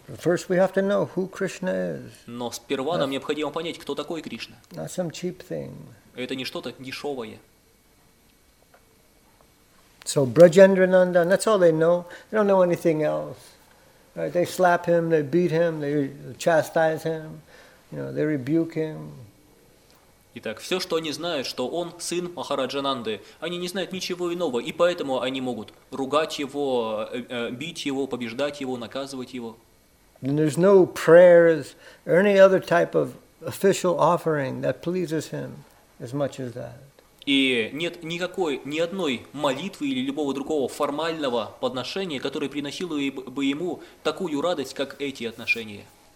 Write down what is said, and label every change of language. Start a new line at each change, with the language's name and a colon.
English: First we have to know who Krishna is.
Russian: Но сперва нам необходимо понять, кто такой Кришна.
English: Not some cheap thing.
Russian: Это не что-то дешевое.
English: So Brajendra Nandan, that's all they know. They don't know anything else. Right? They slap him, they beat him, they chastise him, you know, they rebuke him.
Russian: Итак, все, что они знают, что он сын Махараджа Нанды, они не знают ничего иного, и поэтому они могут ругать его, бить его, побеждать его, наказывать его.
English: And there's no prayers or any other type of official offering that pleases him as much as that.
Russian: И нет никакой, ни одной молитвы или любого другого формального подношения, которое приносило бы ему такую радость, как эти отношения.